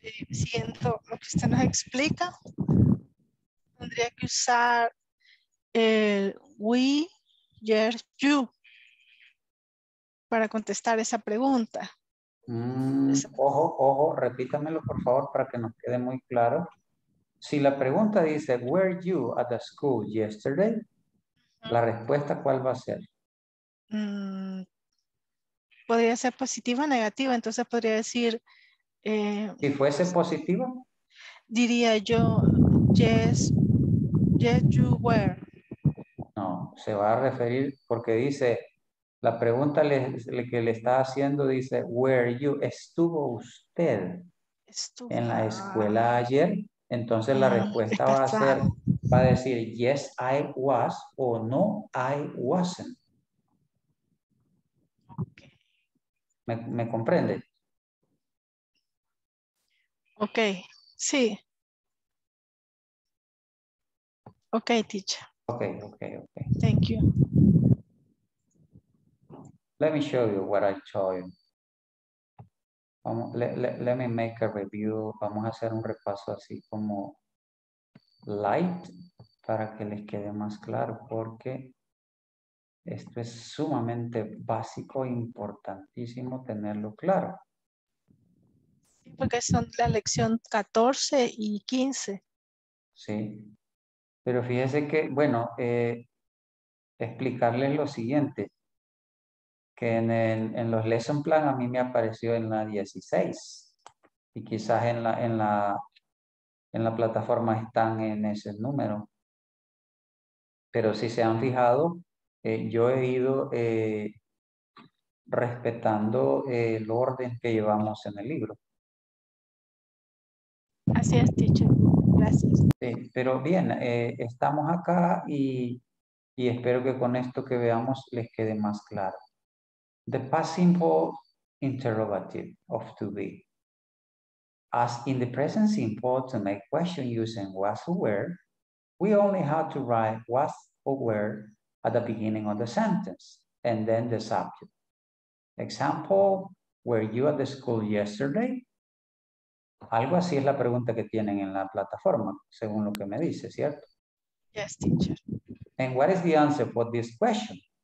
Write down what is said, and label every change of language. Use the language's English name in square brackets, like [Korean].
[Spanish] Siento lo que usted nos explica. Tendría que usar el we, [English] yes, you. [Spanish] Para contestar esa pregunta. Ojo, repítamelo por favor para que nos quede muy claro. Si la pregunta dice, [English] were you at the school yesterday? [Spanish] La respuesta, ¿cuál va a ser? Podría ser positiva o negativa, entonces podría decir si fuese positiva diría yo [English] yes you were. [Spanish] No, se va a referir porque dice la pregunta le que le está haciendo dice [English] were you, [Spanish] estuvo usted estuvo en la escuela ayer, entonces la respuesta va a ser, va a decir [English] yes I was [Spanish] o [English] no I wasn't. [Spanish] ¿Me comprende? Ok, sí. [English] Ok, teacher. Ok. Thank you. Let me show you what I told you. Let me make a review. [Spanish] Vamos a hacer un repaso así como light para que les quede más claro, porque esto es sumamente básico e importantísimo tenerlo claro. Sí, porque son la lección 14 y 15. Sí, pero fíjese que, bueno, explicarles lo siguiente. Que en los lesson plan a mí me apareció en la 16. Y quizás en la plataforma están en ese número. Pero si se han fijado, yo he ido respetando el orden que llevamos en el libro. Así es, teacher. Gracias. Pero bien, estamos acá y espero que con esto que veamos les quede más claro. [English] The past simple interrogative of to be. As in the present simple to make question using was or were, we only had to write was or were at the beginning of the sentence and then the subject. Example, were you at the school yesterday? [Spanish] Algo así es la pregunta que tienen en la plataforma, según lo que me dice, ¿cierto? [English] Yes, teacher. And what is the answer for this question?